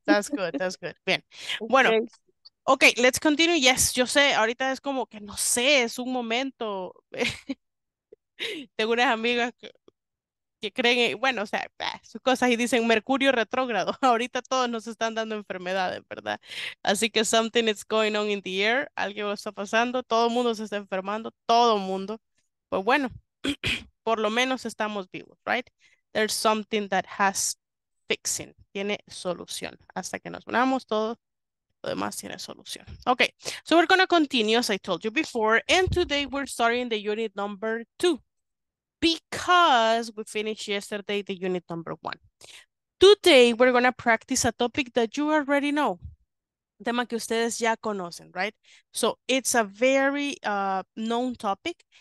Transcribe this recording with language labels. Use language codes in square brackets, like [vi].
[en] that's good, [es] bien. Bueno, [en] okay. ok, let's continue. Yes, [es] yo sé, ahorita es como que no sé, es un momento. Tengo unas amigas que creen, en, bueno, o sea, sus cosas y dicen Mercurio retrógrado. Ahorita todos nos están dando enfermedades, ¿verdad? Así que [en] something is going on in the air. [es] Algo está pasando, todo el mundo se está enfermando, todo el mundo. Pues bueno, por lo menos estamos vivos, right? [en] There's something that has fixing, [es] tiene solución. Hasta que nos unamos todos, lo demás tiene solución. [en] Ok, so we're gonna continue as I told you before, and today we're starting the unit number two. Because we finished yesterday the unit number one. Today we're gonna practice a topic that you already know. [es] tema que ustedes ya conocen, [en] right? So it's a very known topic.